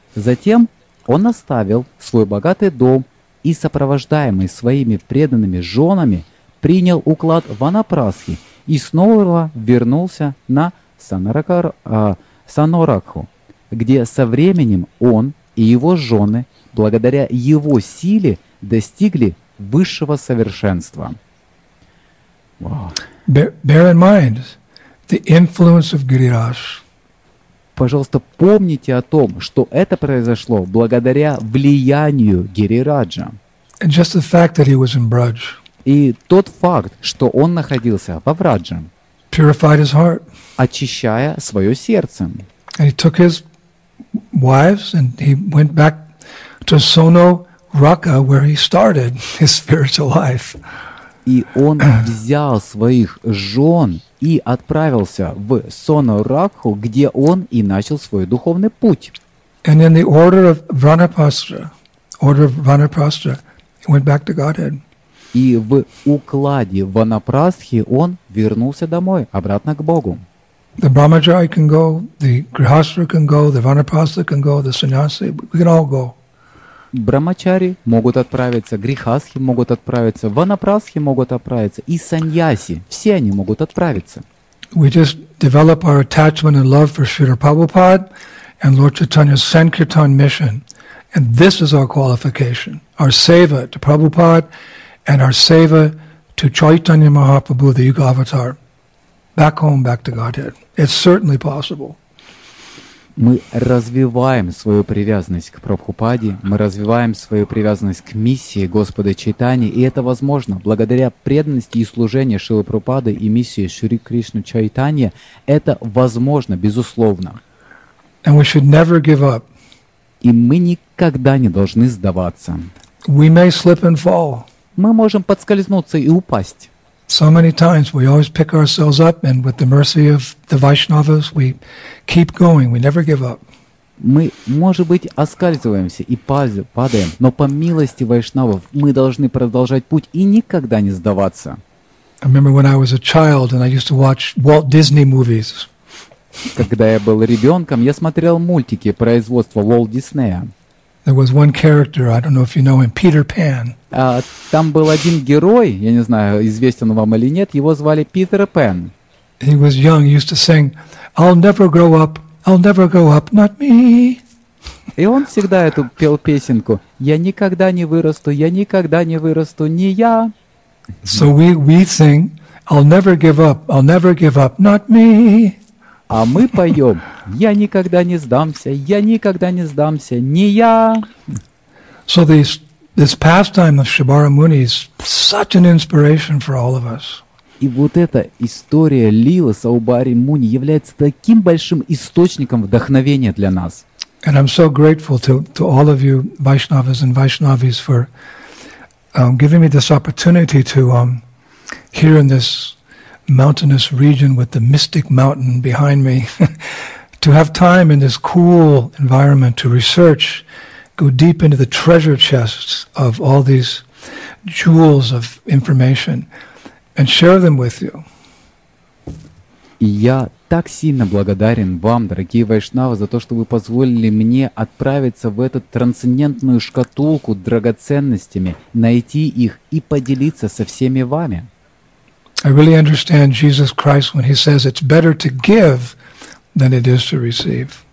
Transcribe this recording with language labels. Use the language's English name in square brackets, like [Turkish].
[Russian] Затем он оставил свой богатый дом и, сопровождаемый своими преданными женами, принял уклад ванапрасхи и снова вернулся на Сонорагху, где со временем он и его жены, благодаря его силе, достигли высшего совершенства. [English] Wow. Bear in mind the influence of Giriraj. [Russian] Пожалуйста, помните о том, что это произошло благодаря влиянию Гирираджа. [English] And just the fact that he was in Braj. [Russian] И тот факт, что он находился во Врадже, [English] purified his heart. [Russian] Очищая свое сердце. [English] And he took his wives and he went back to Sonorakta, where he started his spiritual life. [Russian] И он взял своих жен и отправился в Сонорагху, где он и начал свой духовный путь. [English] And in the order of Vanaprastha, he went back to Godhead. [Russian] И в укладе Ванапрастхи он вернулся домой, обратно к Богу. [English] The Brahmachari can go, the Grihastha can go, the Vanaprastha can go, the Sannyasi, we can all go. [Russian] Брамачари могут отправиться, грихасхи могут отправиться, ванапрасхи могут отправиться, и саньяси, все они могут отправиться. [English] We just develop our attachment and love for Srila Prabhupada and Lord Chaitanya's Sankirtan mission. And this is our qualification, our seva to Prabhupada and our seva to Chaitanya Mahaprabhu, the Yuga Avatar. Back home, back to Godhead. It's certainly possible. [Russian] Мы развиваем свою привязанность к Прабхупаде, мы развиваем свою привязанность к миссии Господа Чайтани, и это возможно благодаря преданности и служению Шрилы Прабхупады и миссии Шри Кришны Чайтани. Это возможно, безусловно. [English] And we should never give up. [Russian] И мы никогда не должны сдаваться. [English] We may slip and fall. [Russian] Мы можем подскользнуться и упасть. [English] So many times we always pick ourselves up and with the mercy of the Vaishnavas we keep going, we never give up. [Russian] Мы, может быть, оскальзываемся и падаем, но по милости вайшнавов мы должны продолжать путь и никогда не сдаваться. [English] I remember when I was a child and I used to watch Walt Disney movies. [Russian] Когда я был ребенком, я смотрел мультики производства Walt Disney. [English] There was one character, I don't know if you know him, Peter Pan. [Russian] Там был один герой, я не знаю, известен вам или нет, его звали Питер Пен. [English] He was young, he used to sing, I'll never grow up, not me. [Russian] И он всегда эту пел песенку, я никогда не вырасту, я никогда не вырасту, не я. [English] So we sing, I'll never give up, not me. [Russian] А мы поем, я никогда не сдамся, я никогда не сдамся, не я. [English] So this pastime of Shibari Muni is such an inspiration for all of us. [Russian] И вот эта история Лилы Саубари Муни является таким большим источником вдохновения для нас. [English] And I'm so grateful to all of you Vaishnavas and Vaishnavis for giving me this opportunity to hear in this mountainous region with the mystic mountain behind me to have time in this cool environment to research, go deep into the treasure chests of all these jewels of information and share them with you. [Russian] И я так сильно благодарен вам, дорогие вайшнавы, за то, что вы позволили мне отправиться в эту трансцендентную шкатулку драгоценностями, найти их и поделиться со всеми вами. [English] I really understand Jesus Christ when he says it's better to give than it is to receive.